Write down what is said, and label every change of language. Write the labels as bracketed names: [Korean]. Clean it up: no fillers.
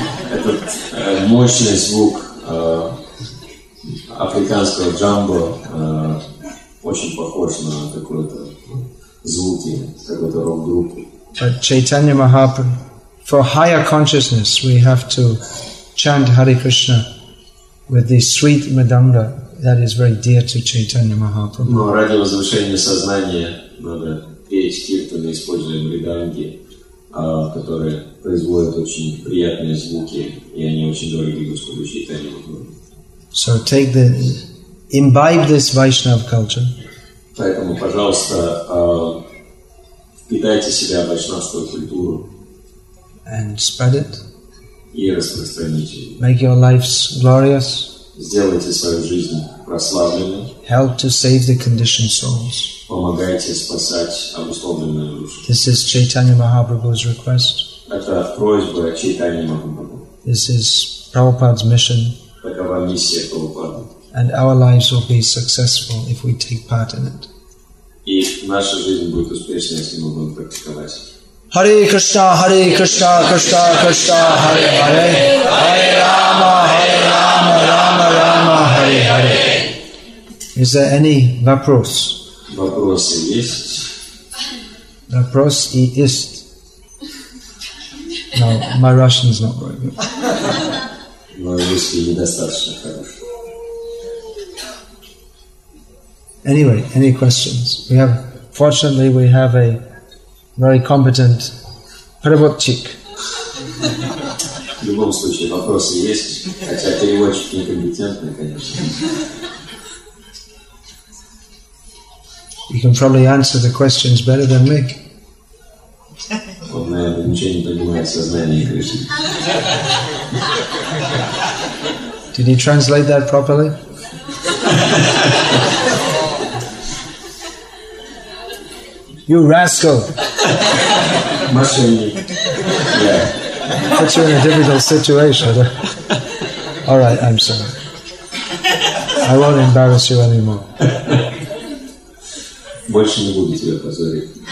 [Russian] Этот мощный звук африканского джамбо очень похож на какой-то звуки какой-то рок-группы. [English] But Chaitanya Mahaprabhu, for higher consciousness, we have to chant Hare Krishna with the sweet mridanga that is very dear to Chaitanya Mahaprabhu. [Russian] Но ради возвышения сознания надо петь киртан, используя мриданги, которые производят очень приятные звуки, и они очень дороги Господу Чайтанья Махапрабху. [English] So take the imbibe this Vaishnava culture. [Russian] Поэтому, пожалуйста, впитайте в себя вайшнавскую культуру. [English] And spread it. [Russian] И распространите ее. [English] Make your lives glorious. [Russian] Сделайте свою жизнь прославленной. [English] Help to save the conditioned souls. [Russian] Помогайте спасать обусловленные души. [English] This is Chaitanya Mahaprabhu's request. [Russian] Это просьба Чайтаньи Махапрабху. [English] This is Prabhupada's mission. [Russian] Такова миссия Прабхупады. [English] And our lives will be successful if we take part in it. [Russian] И наша жизнь будет успешной, если мы будем практиковать. [Sanskrit] Hare Krishna, Hare Krishna, Krishna Krishna, Hare Hare. Hare Rama, Hare Rama, Rama Rama, Hare Hare. [English] Is there any [Russian] vapros? Vapros и ist. Vapros и ist. [English] No, my Russian is not very good. [Russian] Мой русский недостаточно хорош. [English] Anyway, any questions? We have, fortunately, we have a very competent [Russian] переводчик. В любом случае, вопросы есть, хотя переводчик некомпетентный, конечно. [English] You can probably answer the questions better than me. [Russian] Он, наверное, ничего не понимает сознание Кришны. [English] Did he translate that properly? You rascal! Mushroom. Yeah. Put you in a difficult situation. All right, I'm sorry. I won't embarrass you anymore. [Russian] Больше не буду тебя позорить.